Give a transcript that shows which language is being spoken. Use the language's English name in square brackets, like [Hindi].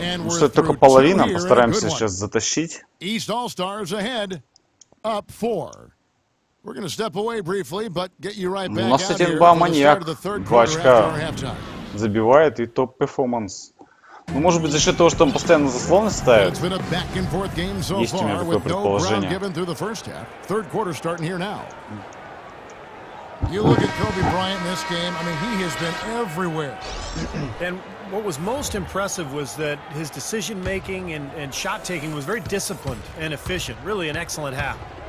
[Russian] что, это только половина. Постараемся сейчас затащить. [English] East All-Stars ahead. Up four. We're gonna step away briefly, but get you right back. [Russian] У нас, кстати, два маньяк, два очка забивает и топ перформанс. Ну, может быть, за счет того, что он постоянно заслоны ставит. Есть у меня такое предположение. [English] Third quarter starting here now. You look at Kobe Bryant in this game. I mean, he has been everywhere. And what was most impressive was that his decision making and shot taking was very disciplined and efficient. Really, an excellent half.